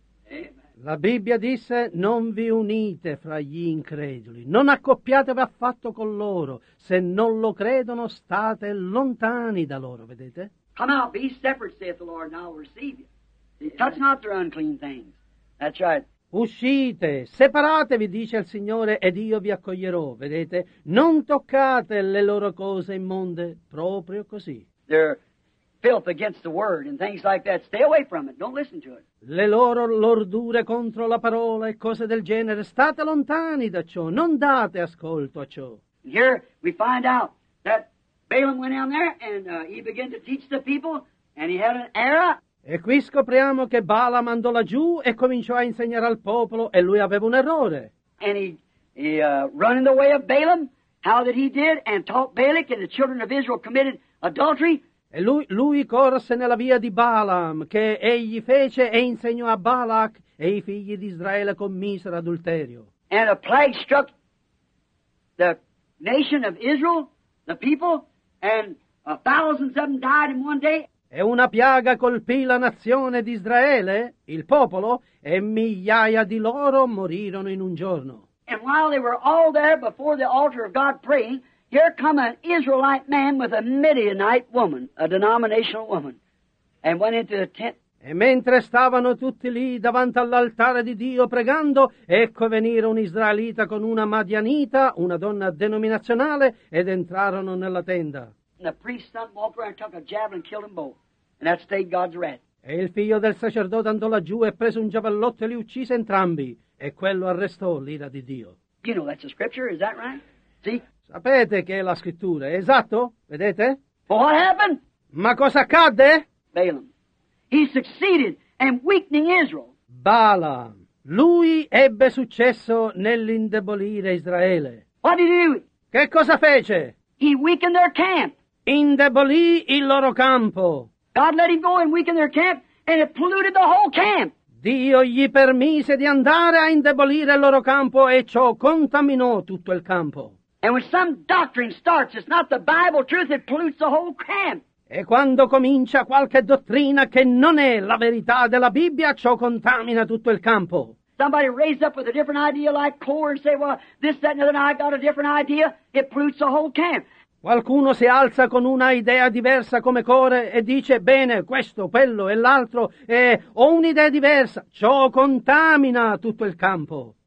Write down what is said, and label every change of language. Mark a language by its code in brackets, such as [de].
[en] Amen. [it] La Bibbia disse, non vi unite fra gli increduli, non accoppiatevi affatto con loro, se non lo credono state lontani da loro, vedete? [en] Come out, be separate, saith the Lord, and I'll receive you. Touch not their unclean things. That's right. [it] Uscite, separatevi, dice il Signore, ed io vi accoglierò, vedete? Non toccate le loro cose immonde, proprio così. [en] They're filth against the word and things like that. Stay away from it. Don't listen to it. [it] Le loro lordure contro la parola e cose del genere, state lontani da ciò, non date ascolto a ciò. [en] Here we find out that Balaam went down there and he began to teach the people and he had an era. [it] E qui scopriamo che Balaam andò laggiù e cominciò a insegnare al popolo e lui aveva un errore. [en] And he run in the way of Balaam, how that he did, and taught Balak and the children of Israel committed adultery. [it] E lui corse nella via di Balaam, che egli fece e insegnò a Balak, e i figli di Israele commisero adulterio. [en] And a plague struck the nation of Israel, the people, and thousands of them died in one day. [it] E una piaga colpì la nazione di Israele, il popolo, e migliaia di loro morirono in un giorno. [en] And while they were all there before the altar of God praying, here come an Israelite man with a Midianite woman, a denominational woman, and went into the tent. [it] E mentre stavano tutti lì davanti all'altare di Dio pregando, ecco venire un israelita con una madianita, una donna denominazionale, ed entrarono nella tenda. [en] And the priest stunned, walked around, took a javelin and killed them both. And that stayed God's wrath. [it] E il figlio del sacerdote andò laggiù e prese un giavellotto e li uccise entrambi. E quello arrestò l'ira di Dio. [en] You know that's a scripture, is that right? See? [it] Sapete che è la scrittura, esatto? Vedete? [en] What happened? [it] Ma cosa accadde? [en] Balaam. He succeeded in weakening Israel. [it] Balaam. Lui ebbe successo nell'indebolire Israele. [en] What did he do? [it] Che cosa fece? [en] He weakened their camp. [it] Indebolì il loro campo. [en] God let him go and weaken their camp and it polluted the whole camp. [it] Dio gli permise di andare a indebolire il loro campo e ciò contaminò tutto il campo. [en] And when some doctrine starts, it's not the Bible truth, it pollutes the whole camp. [it] E quando comincia qualche dottrina che non è la verità della Bibbia, ciò contamina tutto il campo. [en] Somebody raised up with a different idea like core and say, well, this, that, and the other, I got a different idea, it pollutes the whole camp. [it] Qualcuno si alza con una idea diversa come core e dice, bene, questo, quello e l'altro, ho un'idea diversa, ciò contamina tutto il campo.